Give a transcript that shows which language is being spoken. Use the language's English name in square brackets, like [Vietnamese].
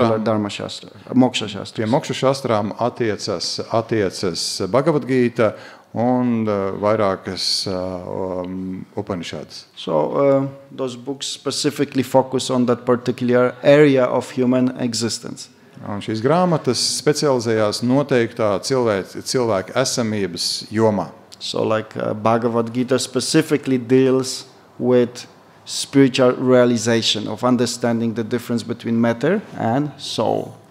[English] popular Dharma Shastra, Moksha Shastra. [Latvian] Pie Moksha Shastrām attiecas Bhagavad Gita un vairākas Upanishads. [English] So those books specifically focus on that particular area of human existence. [Latvian] Un šīs grāmatas specializējās noteiktā cilvēka esamības jomā. [English] So like Bhagavad Gita specifically deals with spiritual realization of understanding the difference between matter and soul.